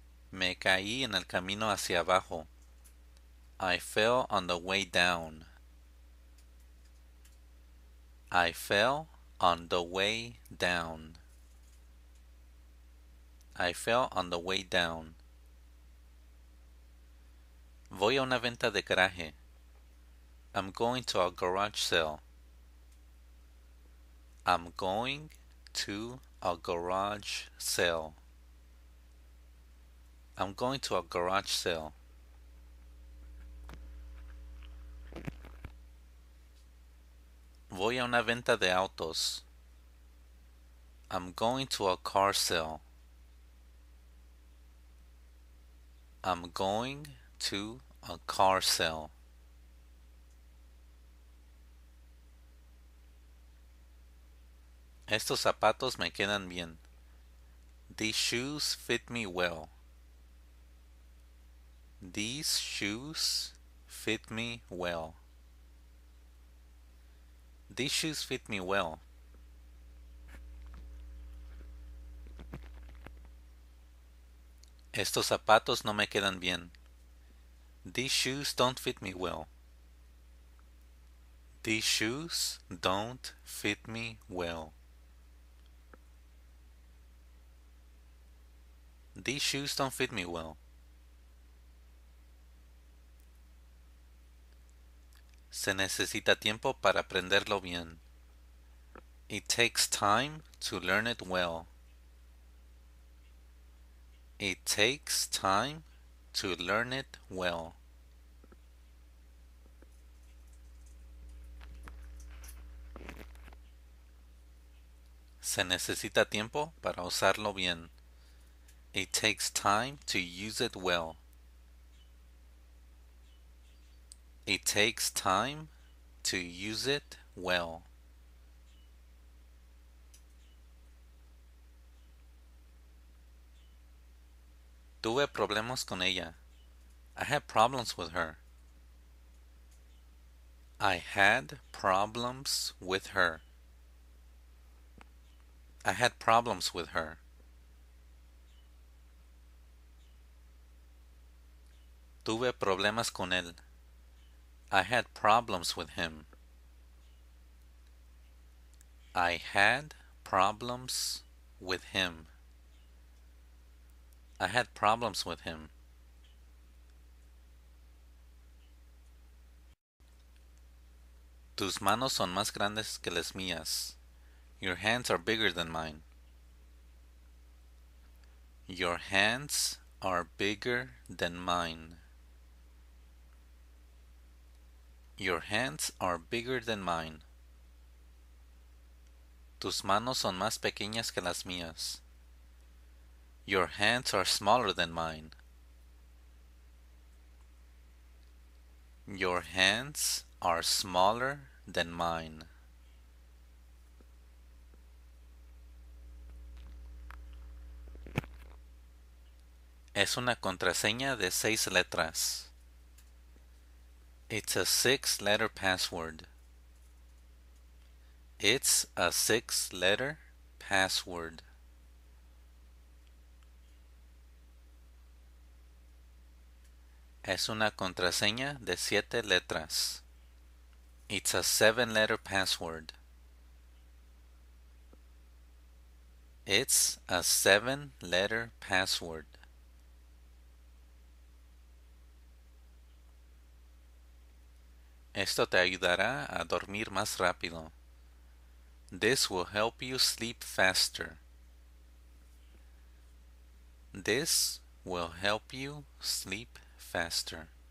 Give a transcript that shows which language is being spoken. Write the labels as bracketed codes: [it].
[es] Me caí en el camino hacia abajo. [en] I fell on the way down. I fell on the way down. I fell on the way down. [es] Voy a una venta de garaje. [en] I'm going to a garage sale. I'm going to a garage sale. I'm going to a garage sale. [es] Voy a una venta de autos. [en] I'm going to a car sale. I'm going to a car sale. [es] Estos zapatos me quedan bien. [en] These shoes fit me well. These shoes fit me well. These shoes fit me well. [es] Estos zapatos no me quedan bien. [en] These shoes don't fit me well. These shoes don't fit me well. These shoes don't fit me well. [es] Se necesita tiempo para aprenderlo bien. [en] It takes time to learn it well. It takes time to learn it well. [es] Se necesita tiempo para usarlo bien. [en] It takes time to use it well. It takes time to use it well. [es] Tuve problemas con ella. [en] I had problems with her. I had problems with her. I had problems with her. [es] Tuve problemas con él. [en] I had problems with him. I had problems with him. I had problems with him. [es] Tus manos son más grandes que las mías. [en] Your hands are bigger than mine. Your hands are bigger than mine. Your hands are bigger than mine. [es] Tus manos son más pequeñas que las mías. [en] Your hands are smaller than mine. Your hands are smaller than mine. [es] Es una contraseña de 6 letras. [en] It's a 6-letter password. It's a 6-letter password. [es] Es una contraseña de 7 letras. [en] It's a 7-letter password. It's a 7-letter password. [es] Esto te ayudará a dormir más rápido. [en] This will help you sleep faster. This will help you sleep faster.